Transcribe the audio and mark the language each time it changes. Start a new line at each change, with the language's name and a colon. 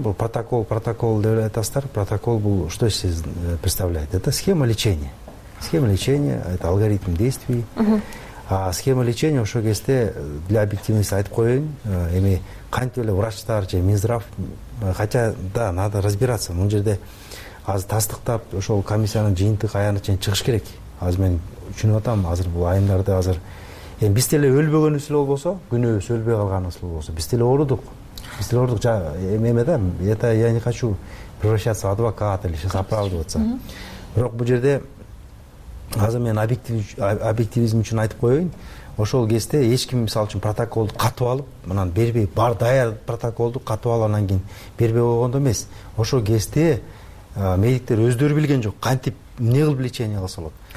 Kyrgyz: Бул протокол деп айтасыздар.
Russian: Протокол
Kyrgyz: бул
Russian: что из себя представляет? Это схема лечения. Схема лечения — это алгоритм действий. Схема лечения
Kyrgyz: ошо кезде
Russian: для объективности
Kyrgyz: айтып коёюн, эми кантип эле врачтар же Минздрав,
Russian: хотя да, надо разбираться.
Kyrgyz: Мун жерде азыр тастыктап ошол комиссиянын жыйынтык аягына чейин чыгыш керек. Азыр мен түшүнүп атам, азыр бул айымдарды азыр эми биз деле өлбөгөнүбүз болбосо, күнөөбүз өлбөй калганыбыз болбосо, биз деле оорудук. Биз деле оорудук эме да,
Russian: это я не хочу превращаться в адвоката или сейчас оправдываться.
Kyrgyz: Бирок бул жерде азыр мен объективизм үчүн айтып коеюн. Ошол кезде эч ким мисалы үчүн протоколду катып алып, анан бербей, бар даяр протоколду катып алып анан кийин бербей койгондо эмес. Ошол кезде медиктер өздөрү билген жок, кантип эмне кылып лечение кылса болот.